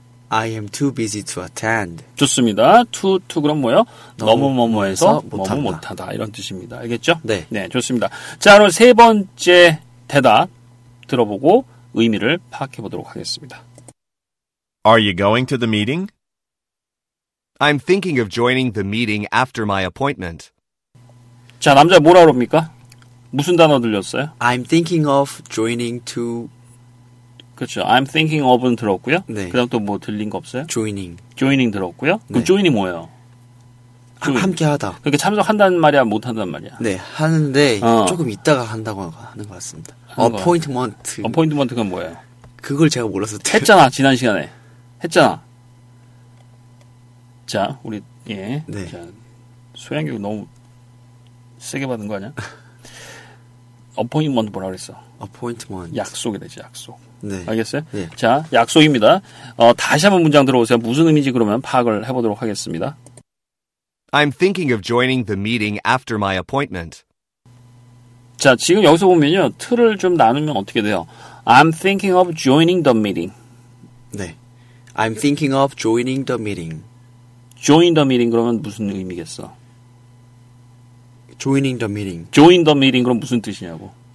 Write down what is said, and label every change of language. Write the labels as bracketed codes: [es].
[en] I am too busy to attend. [ko] 좋습니다. to 그럼 뭐요? 너무 뭐뭐해서 너무 못하다 이런 뜻입니다. 알겠죠? 네. 네, 좋습니다. 자, 그럼 세 번째 대답 들어보고 의미를 파악해 보도록 하겠습니다. [en] Are you going to the meeting? I'm thinking of joining the meeting after my appointment. [ko] 자, 남자 뭐라 그럽니까? 무슨 단어 들렸어요? [en] I'm thinking of joining to... [ko] 그렇죠. [en] I'm thinking of [ko] 은 들었고요. 네. 그 다음 또 뭐 들린 거 없어요? [en] Joining. [ko] Joining 들었고요. 네. 그럼 joining이 뭐예요? Joining. 함께하다. 그렇게 참석한다는 말이야, 못한다는 말이야? 네, 하는데 조금 있다가 한다고 하는 것 같습니다. [en] Appointment. [ko] Appointment가 뭐예요? 그걸 제가 몰라서... 했잖아, 지난 시간에. 했잖아. 자, 우리, 예. 네. 자, 소양 교육 너무 세게 받은 거 아니야? 어포인트먼트 뭐라 그랬어? 어포인트먼트. 약속이 되지, 약속. 네. 알겠어요? 네. 자, 약속입니다. 다시 한번 문장 들어보세요. 무슨 의미인지 그러면 파악을 해보도록 하겠습니다. [en] I'm thinking of joining the meeting after my appointment. [ko] 자, 지금 여기서 보면요. 틀을 좀 나누면 어떻게 돼요? [en] I'm thinking of joining the meeting. 네. I'm thinking of joining the meeting. Join the meeting [ko] 그러면 무슨 의미겠어? [en] Joining the meeting. Join the meeting [ko] 그럼 무슨 뜻이냐고?